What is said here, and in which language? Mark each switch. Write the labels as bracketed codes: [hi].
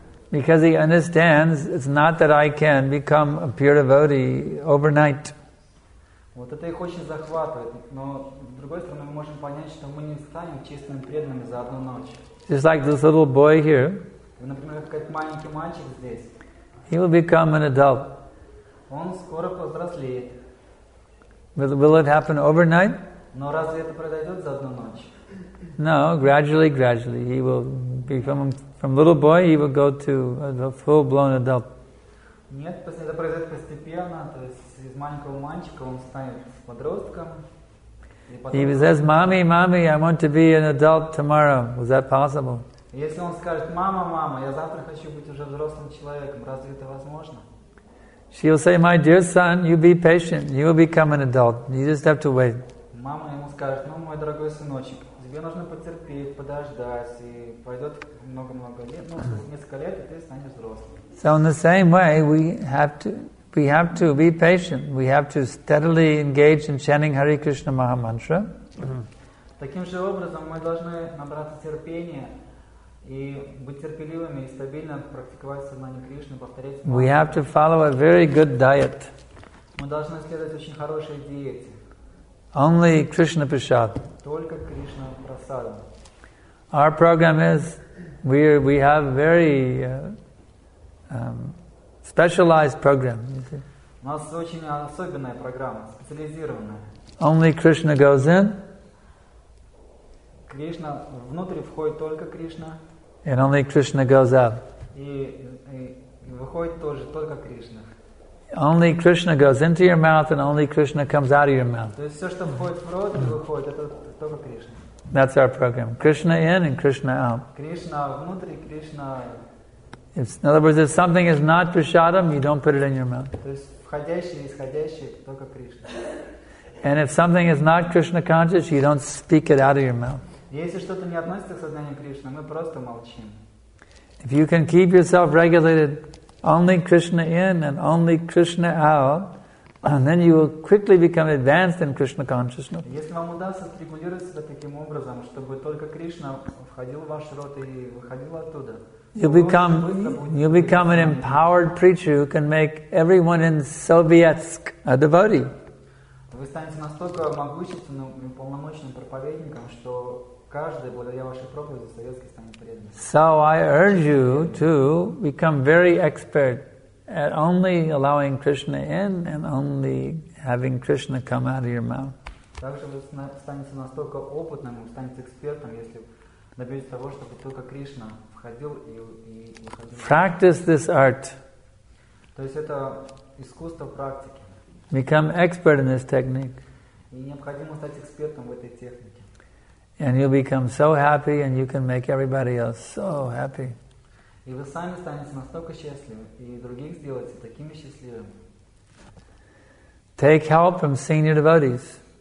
[en] Because he understands it's not that I can become a pure devotee overnight. [ru] Вот это их очень захватывает, но с другой стороны мы можем понять, что мы не станем честными преданными за одну ночь. [en] Just like this little boy here. [ru] Например, какой-то маленький мальчик здесь. [en] He will become an adult. [ru] Он скоро повзрослеет. [en] Will it happen overnight? [ru] Но разве это произойдет за одну ночь? [en] No, gradually, gradually. He will become from little boy, he will go to a full-blown adult. [ru] Нет, это произойдет постепенно. То есть из маленького мальчика он станет подростком. [en] He says, "Mommy, mommy, I want to be an adult tomorrow. Is that possible?" [ru] Если он скажет, мама, мама, я завтра хочу быть уже взрослым человеком, разве это возможно? [en] She will say, my dear son, you be patient, you will become an adult, you just have to wait. [ru] Мама ему скажет, ну, мой дорогой сыночек, тебе нужно потерпеть, подождать, и пройдет много-много лет, ну, несколько лет, и ты станешь взрослым. [en] So in the same way, we have to be patient, we have to steadily engage in chanting Hare Krishna Maha Mantra. [ru] Таким же образом мы должны набраться терпения, и быть терпеливыми и стабильно практиковать сознание Кришны, повторять. [en] We have to follow a very good diet. [ru] Мы должны следовать очень хорошей диете. [en] Only Krishna prasad. [ru] Только Кришна прасада. [en] Our program is we have very specialized program. [ru] У нас очень особенная программа, специализированная. [en] Only Krishna goes in. [ru] Кришна внутрь входит только Кришна. [en] And only Krishna goes out. [ru] И выходит тоже только Кришна. [en] Only Krishna goes into your mouth, and only Krishna comes out of your mouth. [ru] То есть все, что входит в рот, выходит, это только Кришна. [en] That's our program: Krishna in and Krishna out. [ru] Кришна внутрь, Кришна. [en] In other words, if something is not prasadam, you don't put it in your mouth. [ru] То есть входящее, исходящее, только Кришна. [en] And if something is not Krishna conscious, you don't speak it out of your mouth. [ru] Если что-то не относится к сознанию Кришны, мы просто молчим. [en] If you can keep yourself regulated, only Krishna in and only Krishna out, and then you will quickly become advanced in Krishna consciousness. [ru] Если вам удастся регулировать себя таким образом, чтобы только Кришна входил в ваш рот и выходил оттуда, [en] you'll become an empowered preacher who can make everyone in Sovietsk a devotee. [ru] Вы станете настолько могущественным и полномочным проповедником, что каждый, благодаря вашей проповеди, советский станет преданным. [en] So I urge you to become very expert at only allowing Krishna in and only having Krishna come out of your mouth. [ru] Также вы станете настолько опытным, станете экспертом, если добьетесь того, чтобы только Кришна входил и выходил. [en] Practice this art. [ru] То есть это искусство практики. [en] Become expert in this technique. [ru] И необходимо стать экспертом в этой технике. [en] And you'll become so happy, and you can make everybody else so happy. [ru] И вы сами станете настолько счастливым, и других сделаете такими счастливыми. [en] Take help from senior devotees.